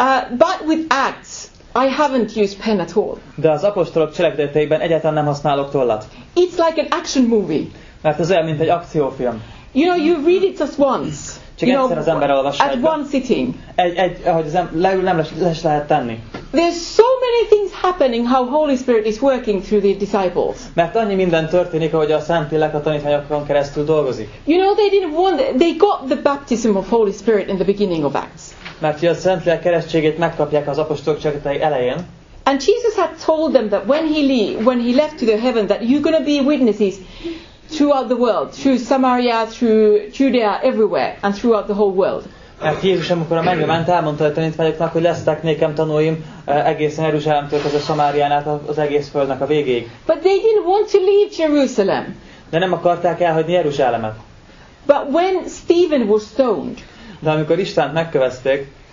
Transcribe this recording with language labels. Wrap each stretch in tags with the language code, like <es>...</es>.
<en>But with Acts, I haven't used pen at all.</en> <hu>De az apostolok cselekedeteiben egyáltalán nem használok tollat.</hu> <en>It's like an action movie.</en> <hu>Mert ez olyan, mint egy akciófilm.</hu> <en>You know, you read it just once.</en> <hu>Csak</hu> <en>you</en> <hu>egyszer</hu> <en>know,</en> <hu>az ember olvassa.</hu> <en>At one sitting.</en> <hu>Ahogy az ember leül, nem lesz lehet tenni.</hu> <en>There's so many things happening how Holy Spirit is working through the disciples.</en> <hu>Mert annyi minden történik, ahogy a Szentlélek a tanítványokon keresztül dolgozik.</hu> <en>You know, they didn't want, they got the baptism of Holy Spirit in the beginning of Acts.</en> <hu>Mert a Szentlélek keresztségét megkapják az apostolok cselekedetei elején.</hu> <en>And Jesus had told them that when he left to the heaven, that you're going to be witnesses throughout the world, through Samaria, through Judea, everywhere, and throughout the whole world.</en> <hu>Mert Jézus, amikor a mennybe ment, elmondta a tanítványoknak, hogy lesztek nékem tanúim egészen Jeruzsálemtől az a Samárián át az egész földnek a végéig.</hu> <en>But they didn't want to leave Jerusalem.</en> <hu>De nem akarták elhagyni Jeruzsálemet.</hu> <en>But when Stephen was stoned. De amikor Istvánt megkövezték.</en>